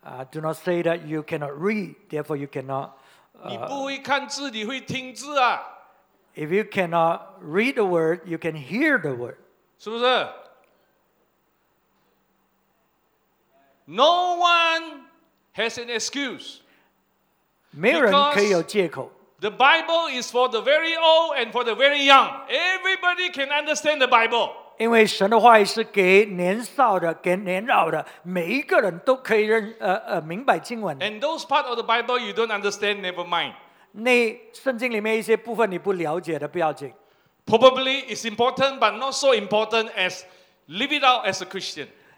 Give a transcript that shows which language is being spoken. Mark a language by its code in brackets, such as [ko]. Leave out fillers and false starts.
[en] Do not say that you cannot read, therefore you cannot. [zh] 你不会看字，你会听字啊。 [en] If you cannot read the word, you can hear the word. [zh] 是不是？ [en] No one has an excuse. [zh] 没有人可以有借口。 [en] The Bible is for the very old and for the very young. Everybody can understand the Bible. [zh] 因为神的话语是给年少的、给年老的，每一个人都可以明白经文的。 [en] And those part of the Bible you don't understand, never mind. [zh] 那圣经里面一些部分你不了解的，不要紧。 [en] Probably it's important, but not so important as live it out as a Christian.